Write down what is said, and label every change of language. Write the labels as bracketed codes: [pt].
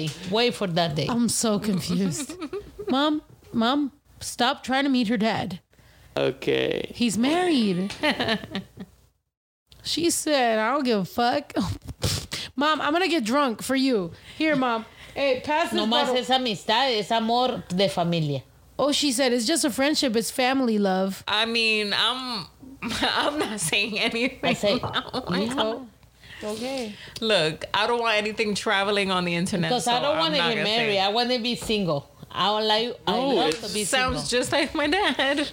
[en] Wait for that day. I'm so confused. Mom, stop trying to meet her dad. Okay. He's married. She said, I don't give a fuck. Mom, I'm going to get drunk for you. Here, Mom. Hey, pass this [es] bottle. No más es amistad, es amor de familia. [en] Oh, she said, it's just a friendship, it's family love. I mean, I'm not saying anything. I say, okay. Look, I don't want anything traveling on the internet. Because I don't want to get married. I want to be single. Sounds just like my dad.